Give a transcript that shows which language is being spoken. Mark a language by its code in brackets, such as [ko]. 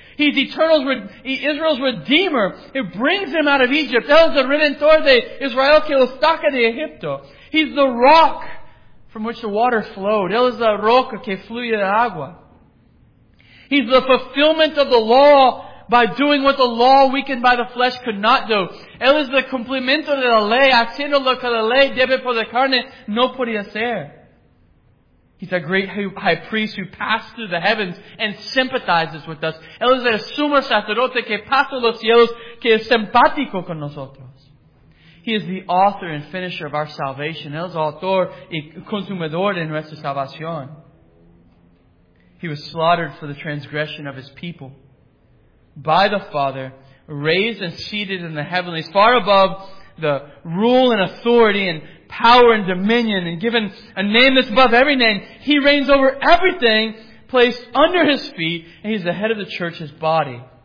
[en] He's eternal Israel's Redeemer who brings him out of Egypt. [es] Él es el Redentor de Israel que lo saca de Egipto. [en] He's the rock from which the water flowed. [es] Él es la roca que fluye de agua. [en] He's the fulfillment of the law by doing what the law weakened by the flesh could not do. [es] Él es el cumplimiento de la ley, haciendo lo que la ley debe por la carne no podía hacer. [en] He's a great high priest who passed through the heavens and sympathizes with us. [es] Él es el sumo sacerdote que pasó los cielos, que es simpático con nosotros. [en] He is the author and finisher of our salvation. [es] Él es autor y consumador de nuestra salvación. [en] He was slaughtered for the transgression of his people by the Father, raised and seated in the heavenlies, far above the rule and authority and power and dominion, and given a name that's above every name. He reigns over everything, placed under his feet, and he's the head of the church, his body.